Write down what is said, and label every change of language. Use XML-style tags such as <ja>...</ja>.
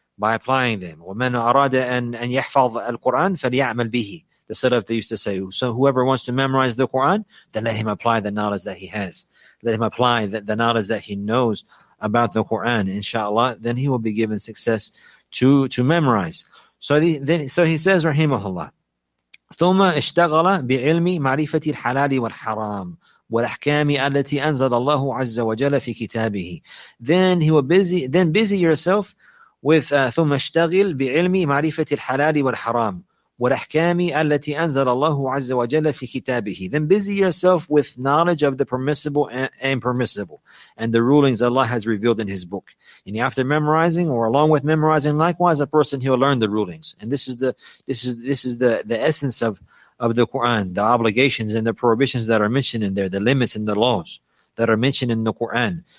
<ar>وَمَنْ أَرَادَ أَنْ يَحْفَظَ الْقُرْآنَ فَلْيَعْمَلْ بِهِ.</ar> <en>The Salaf, they used to say, so whoever wants to memorize the Quran, then let him apply the knowledge that he has. Let him apply the knowledge that he knows about the Quran, inshallah, then he will be given success to memorize. So he says, rahimahullah,</en> <ar>ثُمَّ اشْتَغَلَ بِعِلْمِ مَعْرِفَةِ الْحَلَالِ وَالْحَرَامِ وَالْأَحْكَامِ الَّتِي أَنزَلَ اللَّهُ عَزَّ وَجَلَّ فِي كِتَابِهِ.</ar> <en>Then busy yourself with</en> <ar>ثُمَّ اشْتَغِلْ بِعِلْمِ مَعْرِفَةِ الْحَلَالِ وَالْحَرَامِ وَالْأَحْكَامِ الَّتِي أَنزَلَ اللَّهُ عَزَّ وَجَلَّ فِي كِتَابِهِ.</ar> <en>Then busy yourself with knowledge of the permissible and impermissible and the rulings Allah has revealed in His book. And after memorizing, or along with memorizing, likewise a person, he'll learn the rulings. And this is the essence of the Quran, the obligations and the prohibitions that are mentioned in there, the limits and the laws that are mentioned in the Quran.</en>